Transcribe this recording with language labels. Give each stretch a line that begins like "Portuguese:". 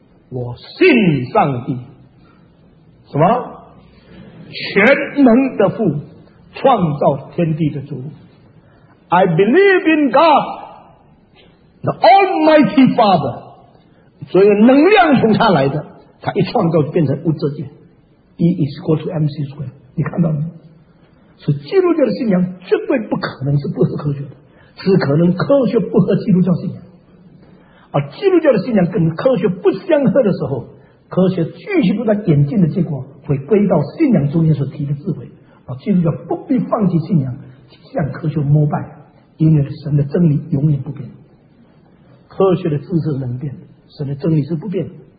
Chinese: 我信上帝，什么全能的父，创造天地的主。
English: I believe in God the almighty father，
Chinese: 所以能量从他来的，他一创造就变成物质界。
English: E is equal to MC square，
Chinese: 你看到没有？所以基督教的信仰绝对不可能是不合科学的，只可能科学不合基督教信仰。而基督教的信仰跟科学不相合的时候，科学继续不断演进的结果会归到信仰中间所提的智慧。基督教不必放弃信仰向科学膜拜，因为神的真理永远不变，科学的知识能变，神的真理是不变的。